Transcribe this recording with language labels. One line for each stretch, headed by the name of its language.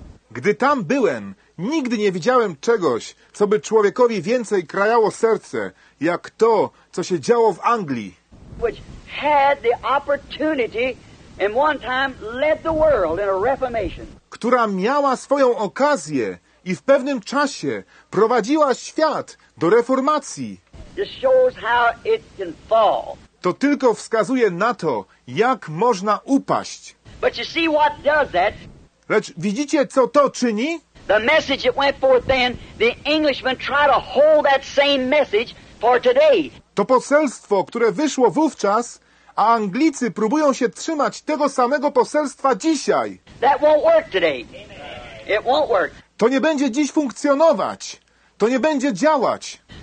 Polish: Gdy tam byłem, nigdy nie widziałem czegoś, co by człowiekowi więcej krajało serce, jak to, co się działo w Anglii.
English: Which had the opportunity and one time led the world in a reformation.
Polish: Która miała swoją okazję i w pewnym czasie prowadziła świat do reformacji.
English: This shows how it can fall.
Polish: To tylko wskazuje na to, jak można upaść.
English: But you see what does that?
Polish: Lecz widzicie, co to czyni?
English: The message that went forth then, the Englishmen try to hold that same message for today.
Polish: To poselstwo, które wyszło wówczas, a Anglicy próbują się trzymać tego samego poselstwa dzisiaj.
English: That won't work today. It won't work.
Polish: To nie będzie dziś funkcjonować. To nie będzie działać.